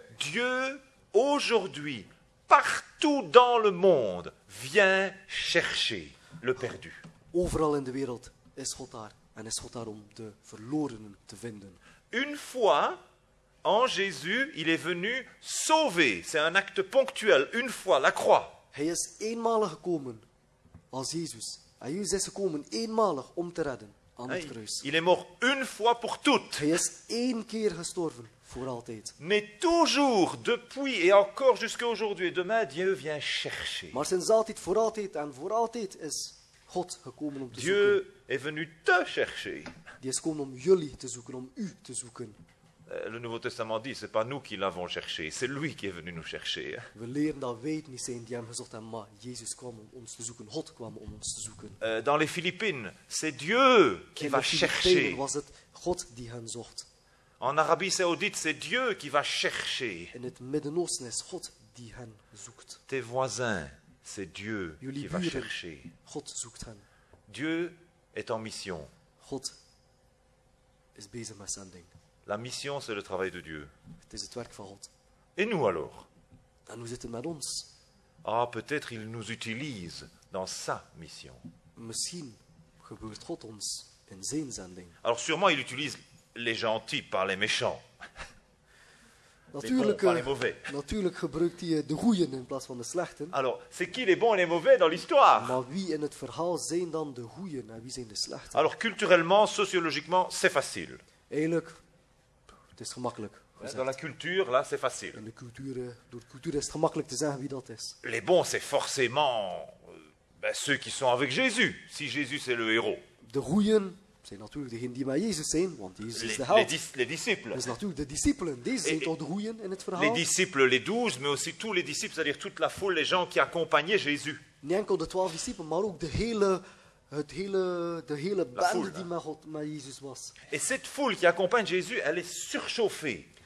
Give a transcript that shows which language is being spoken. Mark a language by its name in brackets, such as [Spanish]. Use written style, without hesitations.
[French] Dieu, aujourd'hui, partout dans le monde, vient chercher le perdu. [Dutch] Overal in de wereld is God daar en is God daar om de verlorenen te vinden. [French] Une fois en Jésus, il est venu sauver. C'est un acte ponctuel, une fois la croix. [Dutch] Hij is eenmalig gekomen als Jezus. En Jezus is gekomen eenmalig om te redden aan het kruis. [French] Il est mort une fois pour toutes. [Dutch] Hij is één keer gestorven voor altijd. [French] Mais toujours depuis et encore jusqu'à aujourd'hui et demain Dieu vient chercher. [Dutch] Maar sinds altijd voor altijd en voor altijd is God gekomen om te [French] Dieu [Dutch] zoeken. [French] Est venu te chercher. [Dutch] Die is gekomen om jullie te zoeken, om u te zoeken. [French] Le Nouveau Testament dit, c'est pas nous qui l'avons cherché, c'est lui qui est venu nous chercher. [Dutch] We leren dat wij niet zijn die hem gezocht hebben, maar Jezus kwam om ons te zoeken. God kwam om ons te zoeken. [French] Dans les Philippines, c'est Dieu qui va chercher. [Dutch] Was het God die hen zocht. [French] En Arabie Saoudite, c'est Dieu qui va chercher. [Dutch] In het Midden-Oosten is God die hen zoekt. [French] Tes voisins, c'est Dieu qui va chercher. [Dutch] God zoekt hen. [French] Dieu est en mission. [Dutch] God is bezig met zending. [French] La mission, c'est le travail de Dieu. [Dutch] Het is het werk van God. [French] Et nous alors? [Dutch] En nous zitten met ons. [French] Ah, peut-être il nous utilise dans sa mission. [Dutch] Misschien gebeurt God ons in zijn zending. [French] Alors sûrement il utilise les gentils par les méchants. [Dutch] Natuurlijk, [French] les bons, par les mauvais. [Dutch] Natuurlijk gebruikt hij de goeien in plaats van de slechten. [French] Alors, c'est qui les bons et les mauvais dans l'histoire? [Dutch] Maar wie in het verhaal zijn dan de goeien en wie zijn de slechten? [French] Alors culturellement, sociologiquement, c'est facile. [Dutch] Eigenlijk, het is gemakkelijk. [French] Dans la culture, là, c'est facile. [Dutch] In de cultuur, door de cultuur is het gemakkelijk te zeggen wie dat is. [French] Les bons, c'est forcément ben, ceux qui sont avec Jésus, si Jésus c'est le héros. [Dutch] De goeien zijn natuurlijk degenen die met Jezus zijn, want Jezus is de held. [French] Les disciples. [Dutch] Dus natuurlijk de discipelen, deze zijn toch de goeien in het verhaal. [French] Les disciples, les douze, mais aussi tous les disciples, c'est-à-dire toute la foule, les gens qui accompagnaient Jésus. [Dutch] Niet enkel de 12 disciples, maar ook de hele bende foule, die met God, met Jezus was. [French] Et cette foule qui accompagne Jésus, elle est surchauffée.